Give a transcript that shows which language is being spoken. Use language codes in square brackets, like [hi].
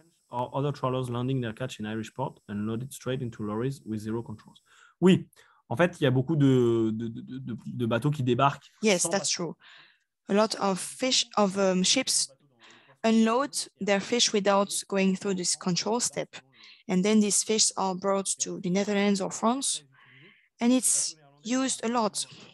[en] Or other trawlers landing their catch in Irish port and loaded straight into lorries with zero controls. [fr] Oui, en fait, il y a beaucoup de bateaux qui débarquent. [en] Yes, that's true. A lot of fish of ships unload their fish without going through this control step. And then these fish are brought to the Netherlands or France. And it's used a lot.